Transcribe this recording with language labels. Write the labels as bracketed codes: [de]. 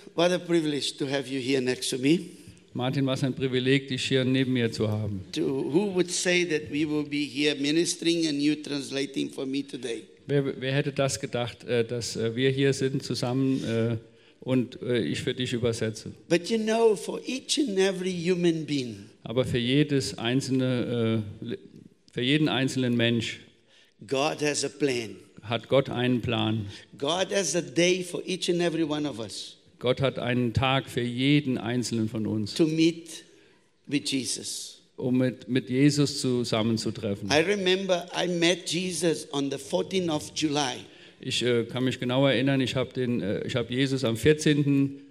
[en] What a privilege to have you here next to me. [de] Martin, was ein Privileg, dich hier neben mir zu haben. [en] To who would say that we will be here ministering and you translating for me today? [de] Wer hätte das gedacht, dass wir hier sind zusammen und ich für dich übersetze? [en] But you know, for each and every human being. [de] Aber für jedes einzelne, für jeden einzelnen Mensch. [en] God has a plan. [de] Hat Gott einen Plan? [en] God has a day for each and every one of us. [de] Gott hat einen Tag für jeden einzelnen von uns. [en] To meet with Jesus. [de] Um mit Jesus zusammenzutreffen. [en] I remember I met Jesus on the 14th of July. [de] Ich kann mich genau erinnern, ich habe Jesus am 14.